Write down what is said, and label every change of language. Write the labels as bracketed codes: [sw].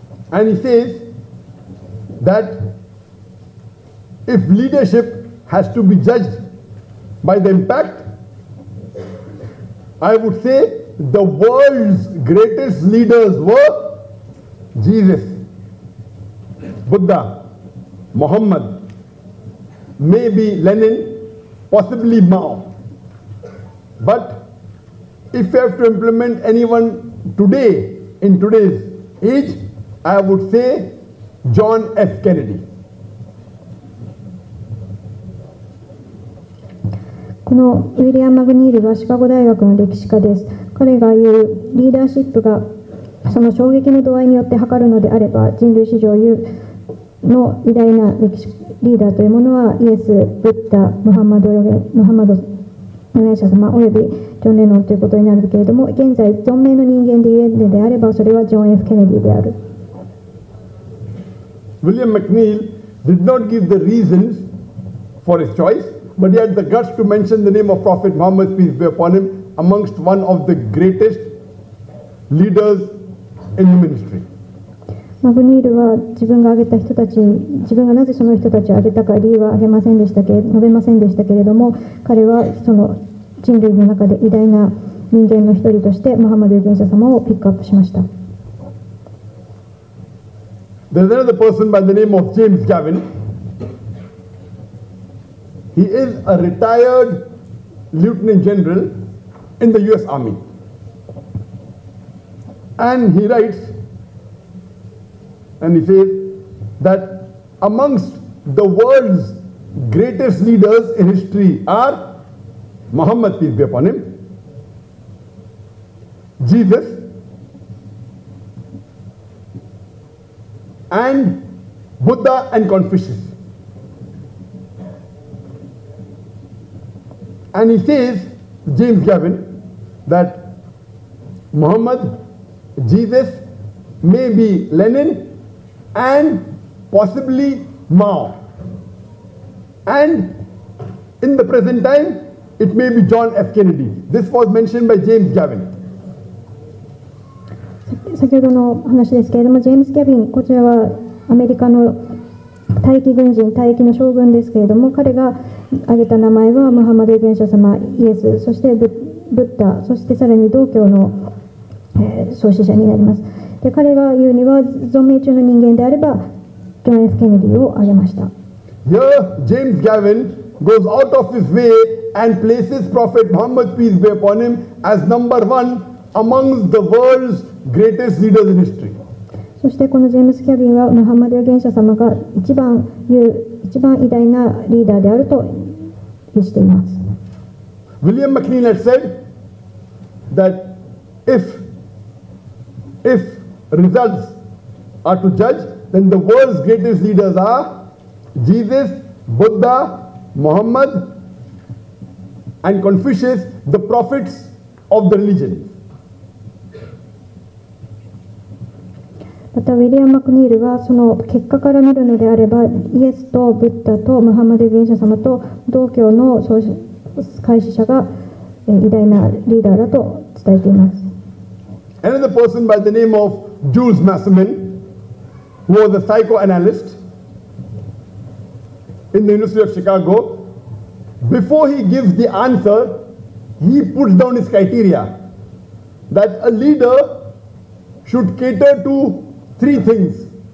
[en] And he says that if leadership has to be judged by the impact, I would say the world's greatest leaders were Jesus, Buddha, Muhammad, maybe Lenin, possibly Mao. But if you have to implement anyone today, in today's age, I would say John F. Kennedy. [ja] このウィリアム・マグニールはシカゴ大学の歴史家です。彼が言うリーダーシップがその衝撃の度合いによって測るのであれば、人類史上の偉大な歴史リーダーというものはイエス、ブッダ、ムハンマド預言者様およびジョン・レノンということになるけれども、現在存命の人間で言えるのであれば、それはジョン・F・ケネディである。 [en] ウィリアム・マグニール did not give the reasons for his choiceBut he had the guts to mention the name of Prophet Muhammad, peace be upon him, amongst one of the greatest leaders in the ministry. [ja] マグニールは自分が挙げた人たち、自分がなぜその人たちを挙げたか理由は述べませんでしたけれども、彼はその人類の中で偉大な人間の一人としてムハンマド預言者様をピックアップしました。 [en] There's another person by the name of James Gavin. He is a retired lieutenant general in the US Army. And he writes, and he says that amongst the world's greatest leaders in history are Muhammad, peace be upon him, Jesus, and Buddha and Confucius. And he says, James Gavin, that Muhammad, Jesus, maybe Lenin, and possibly Mao. And in the present time, it may be John F. Kennedy. This was mentioned by James Gavin. [ja] 先ほどの話ですけれども、ジェームス・ギャビン、こちらはアメリカの退役軍人、退役の将軍ですけれども、彼が挙げた名前はムハンマド預言者様、イエス、そして ブッダ、そしてさらに道教の、創始者になります。で、彼が言うには存命中の人間であればジョン・F・ケネディを挙げました。 [en] Here, James Gavin goes out of his way and places Prophet Muhammad, peace be upon him, as number one amongst the world's greatest leaders in history. [ja] そしてこのジェームス・キャビンはムハンマド預言者様が一番偉大なリーダーであると言っています。 [en] William McKinley had said that if results are to judge, then the world's greatest leaders are Jesus, Buddha, Muhammad, and Confucius, the prophets of the religion. [ja] またウィリアム・マクニールはその結果から見るのであればイエスとブッダとムハンマド預言者様と同教の創始者が偉大なリーダーだと伝えています。 [en] Another person by the name of Jules Massaman, who was a psychoanalyst in the University of Chicago, before he gives the answer, he puts down his criteria that a leader should cater to three things.